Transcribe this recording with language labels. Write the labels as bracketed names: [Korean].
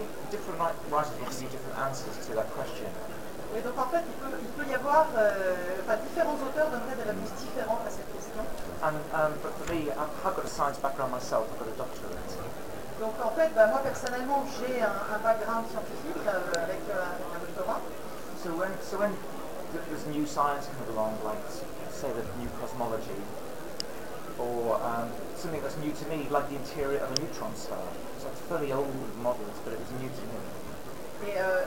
[English] different writers will give you different answers to that question. [French] Et donc en fait, il peut y avoir différents auteurs donneraient des réponses différentes à cette question. [English] I've got a science background myself. I've got a doctorate. [French] Donc en fait, moi personnellement, j'ai un background scientifique avec un doctorat. [English] So when there's new science coming along, like say the new cosmology, or something that's new to me, like the interior of a neutron star. So it's fairly old models, but it was new to me.